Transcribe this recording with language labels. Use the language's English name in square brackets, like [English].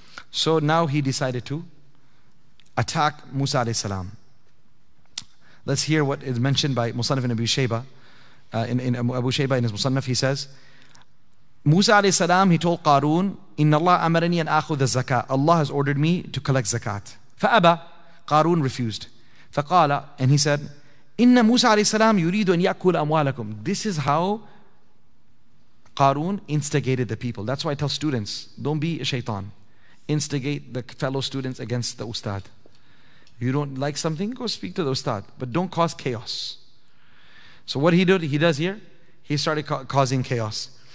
[English] So now he decided to attack Musa alayhi salam. Let's hear what is mentioned by Musannaf and Abu Shayba. In his Musannaf, he says, Musa alayhi salam, he told Qarun, [Arabic] "Inna Allah amarani an akhudh zakat." [English] Allah has ordered me to collect zakat. Fa'aba, Qarun refused. [Arabic] فقال, [English] and he said, [Arabic] إن موسى عليه السلام يريد أن يأكل أموالكم. [English] This is how Qarun instigated the people. That's why I tell students, don't be a shaitan. Instigate the fellow students against the ustad. You don't like something, go speak to the ustad, but don't cause chaos. So what he does here, he started causing chaos.